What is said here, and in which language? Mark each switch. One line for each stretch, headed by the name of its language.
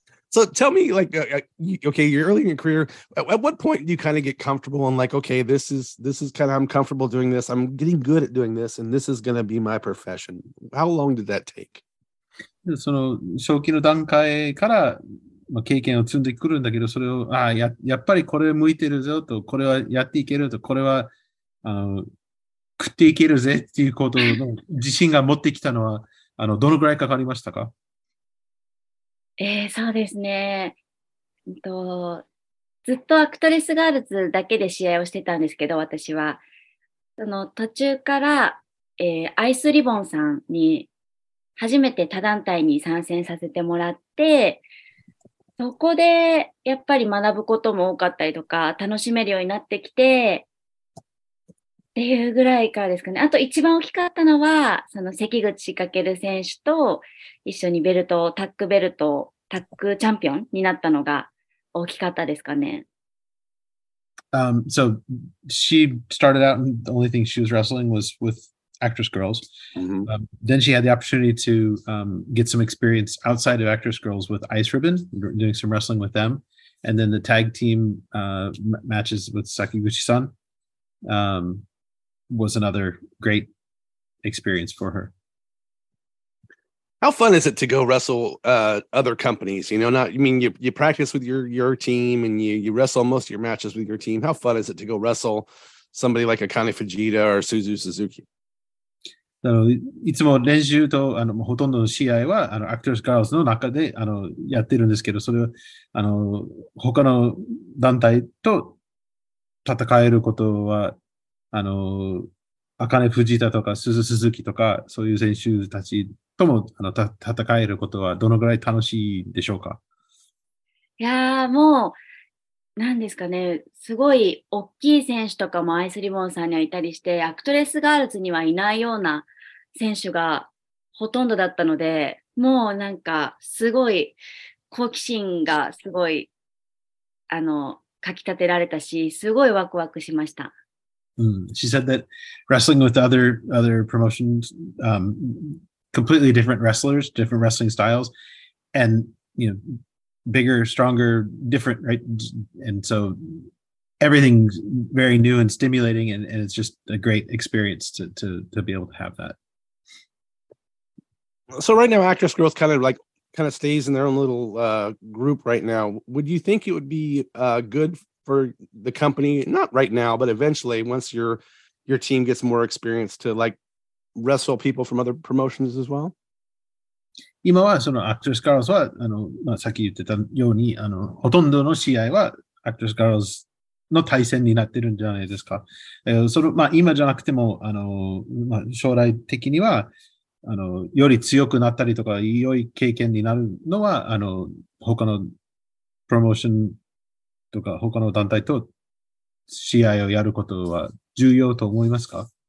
English: So tell me, you're early in your career. At what point do you kind of get comfortable and like, okay, this is kind of, I'm comfortable doing this. I'm getting good at doing this, and this is going to be my profession. How long did that take?
Japanese: その正気の段階から、まあ、経験を積んでくるんだけど、それを、ああ、やっぱりこれ向いてるぞと、これはやっていけると、これは、食っていけるぜっていうことの自信が持ってきたのは、どのぐらいかかりましたか？そうですね。ずっとアクトレスガールズだけで試合をしてたんですけど、私は。その途中から、アイスリボンさんに、初めて他団体に参戦させてもらって、そこでやっぱり学ぶことも多かったりとか、楽しめるようになってきて、っていうぐらいからですかね。あと一番大きかったのは、その関口仕掛ける選手と一緒にベルト、タックベルト、タックチャンピオンになったのが大きかったですかね。
English: So she started out and the only thing she was wrestling was withActress Girls. Mm-hmm. Then she had the opportunity to get some experience outside of Actress Girls with Ice Ribbon, doing some wrestling with them. And then the tag team matches with Sakiguchi-san was another great experience for her. How fun is it to go wrestle other companies? You know, not, I mean, you practice with your team and you wrestle most of your matches with your team. How fun is it to go wrestle somebody like Akane Fujita or Suzu Suzuki?
Japanese: いつも練習とほとんどの試合はアクトレスガールズの中でやってるんですけど、それは他の団体と戦えることは、アカネ・フジタとかスズ・スズキとか、そういう選手たちとも戦えることはどのぐらい楽しいでしょうか？いやー、もう、なんですかね、すごい大きい選手とかもアイスリボンさんにはいたりして、アクトレスガールズにはいないような選手がほとんどだったので、もうなんかすごい好奇心がすごいかきたてられたし、すごいワクワクしました。
English: She said that wrestling with other promotions, completely different wrestlers, different wrestling styles, and you knowBigger, stronger, different, right? And so everything's very new and stimulating, and it's just a great experience to be able to have that. So right now, Actress Girls kind of stays in their own little group right now. Would you think it would be good for the company, not right now, but eventually, once your team gets more experience, to like wrestle people from other promotions as well?
Japanese: 今はそのアクトレスガールズは、まあ、さっき言ってたように、ほとんどの試合はアクトレスガールズの対戦になってるんじゃないですか。それ、まあ、今じゃなくても、まあ、将来的にはより強くなったりとか、良い経験になるのは他のプロモーションとか他の団体と試合をやることは重要と思いますか？